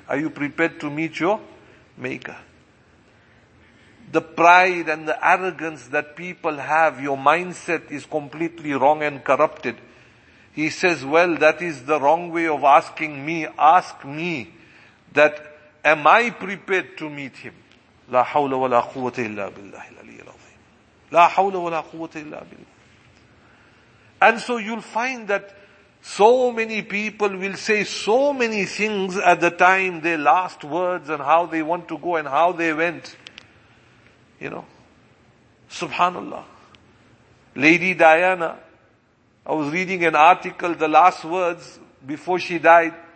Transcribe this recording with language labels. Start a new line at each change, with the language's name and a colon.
English: Are you prepared to meet your maker? The pride and the arrogance that people have, your mindset is completely wrong and corrupted. He says, well, that is the wrong way of asking me. Ask me that, am I prepared to meet him?
Arabic: لا حول ولا قوة إلا بالله العلي العظيم. لا حول ولا قوة إلا بالله.
English: And so you'll find that so many people will say so many things at the time, their last words and how they want to go and how they went. You know, subhanallah. Lady Diana, I was reading an article, the last words before she died.